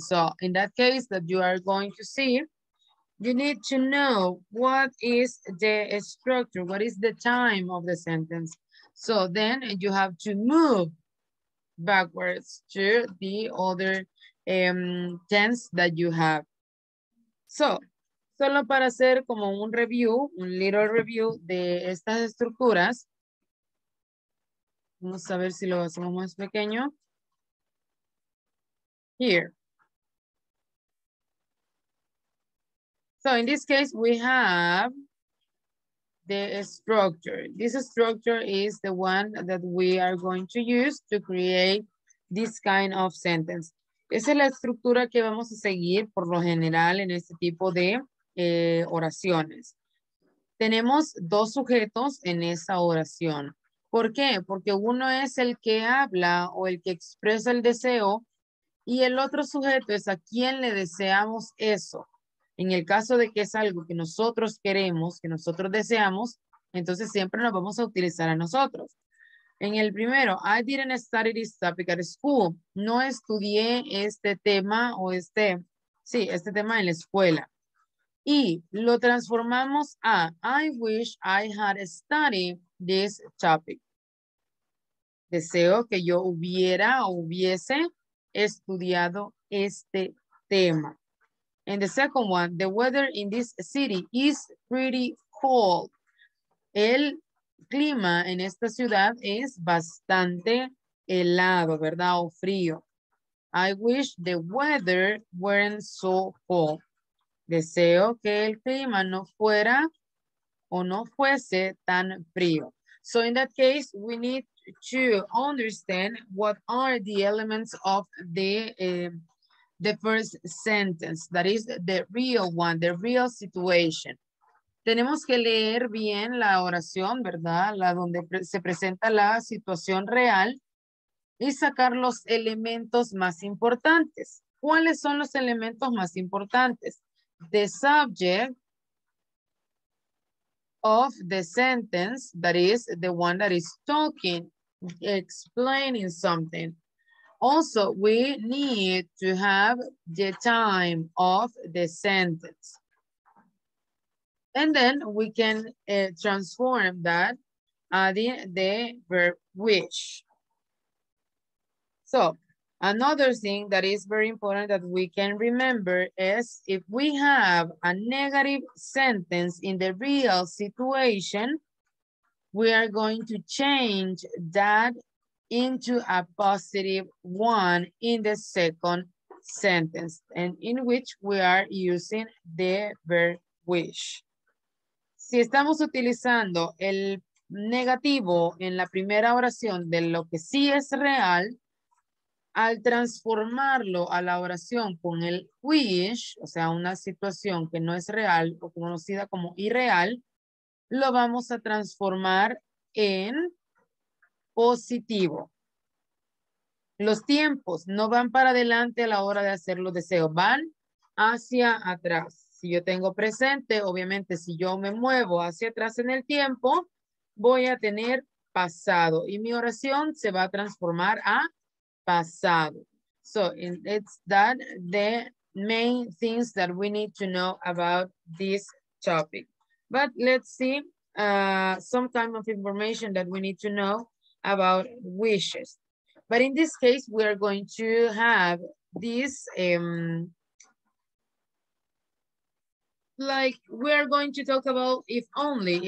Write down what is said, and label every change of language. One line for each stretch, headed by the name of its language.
English: So in that case that you are going to see, you need to know what is the structure, what is the time of the sentence. So then you have to move backwards to the other tense that you have.
Spanish: So, solo para hacer como un review, un
English: little review
Spanish: de estas estructuras. Vamos a ver si lo hacemos más pequeño.
English: Here. So, in this case, we have the structure. This structure is the one that we are going to use to create this kind of sentence.
Spanish: Esa es la estructura que vamos a seguir por lo general en este tipo de oraciones. Tenemos dos sujetos en esa oración. ¿Por qué? Porque uno es el que habla o el que expresa el deseo Y el otro sujeto es a quién le deseamos eso. En el caso de que es algo que nosotros queremos, que nosotros deseamos, entonces siempre nos vamos a utilizar a nosotros. En el primero,
English: I didn't study this topic at school.
Spanish: No estudié este tema o este, sí, este tema en la escuela. Y lo transformamos a
English: I wish I had studied this topic.
Spanish: Deseo que yo hubiera o hubiese estudiado este tema.
English: And the second one, the weather in this city is pretty cold.
Spanish: El clima en esta ciudad es bastante helado, ¿verdad? O frío.
English: I wish the weather weren't so cold.
Spanish: Deseo que el clima no fuera o no fuese tan frío.
English: So in that case, we need to understand what are the elements of the first sentence. That is the real one, the real situation.
Spanish: Tenemos que leer bien la oración, ¿verdad? La donde se presenta la situación real y sacar los elementos más importantes. ¿Cuáles son los elementos más importantes?
English: The subject of the sentence, that is the one that is talking, explaining something. Also, we need to have the time of the sentence. And then we can transform that, adding the verb wish. So, another thing that is very important that we can remember is if we have a negative sentence in the real situation, we are going to change that into a positive one in the second sentence, and in which we are using the verb wish.
Spanish: Si estamos utilizando el negativo en la primera oración de lo que sí es real, al transformarlo a la oración con el wish, o sea, una situación que no es real o conocida como irreal, lo vamos a transformar en positivo. Los tiempos no van para adelante a la hora de hacer los deseos, van hacia atrás. Si yo tengo presente, obviamente, si yo me muevo hacia atrás en el tiempo, voy a tener pasado y mi oración se va a transformar a pasado.
English: So it's that the main things that we need to know about this topic. But let's see some kind of information that we need to know about wishes. But in this case, we are going to have this, like we are going to talk about if only.